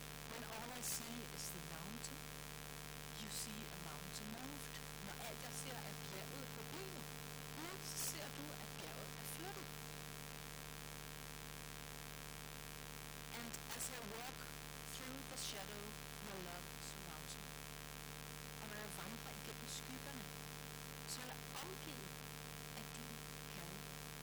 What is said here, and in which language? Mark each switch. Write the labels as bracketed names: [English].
[English] When all I see is the mountain. You see a mountain moved. [Danish] Når alt jeg ser er bjerget på bjerget. Gud, så ser du, at bjerget er flyttet. [English] And as I walk through the shadow, your love surrounds me. [Danish] Og når jeg vandrer igennem skyggerne, så er jeg omgivet af din kærlighed.